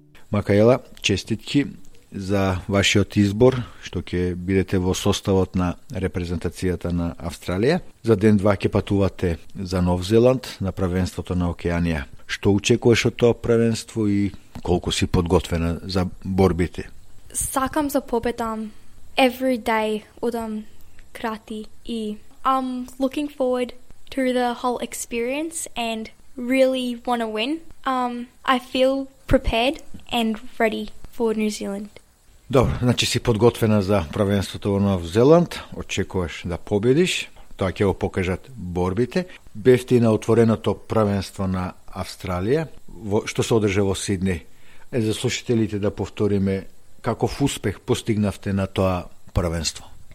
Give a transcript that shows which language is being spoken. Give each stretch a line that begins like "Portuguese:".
Macedonian: Макаела, честитки за вашиот избор, што ќе бидете во составот на репрезентацијата на Австралија. За ден-два ќе патувате за Нов Зеланд на првенството на Океанија. Што очекуваш од тоа првенство и колку си подготвена за борбите? Сакам за победам.
English: Every day
Macedonian: одам крати
English: и I'm looking forward to the whole experience and really want to win. I feel prepared and ready for New Zealand.
Macedonian: Добро, значи си подготвена за првенството во Нов Зеланд, очекуваш да победиш, тоа ќе го покажат борбите. Бевте на отвореното првенство на Австралија, што се одржа во Сиднеј. За слушателите да повториме, каков успех постигнавте на тоа првенство?